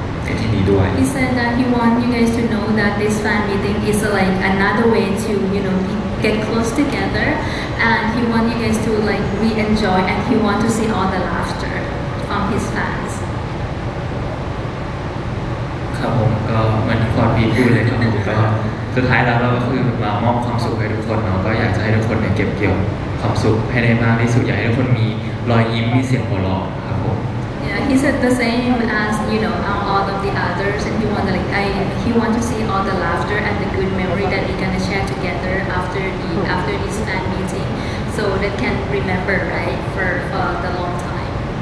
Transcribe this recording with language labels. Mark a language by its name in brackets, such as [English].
[English] He said that he wants you guys to know that this fan meeting is like another way to, you know, get close together, and he wants you guys to like re-enjoy, and he wants to see all the laughter from his fans. [Thai] ครับผมก็มันพอพี่พูดเลยครับผมก็สุดท้ายแล้วเราก็คือมามอบความสุขให้ทุกคนเนาะก็อยากจะให้ทุกคนเนี่ยเก็บเกี่ยวความสุขให้ได้มากที่สุดอยากให้ทุกคนมีรอยยิ้มมีเสียงหัวเราะครับผม [English] He said the same as, you know, all of the others, and he wanted to see all the laughter and the good memory that we're gonna share together after this fan meeting, so they can remember, right, for the long time.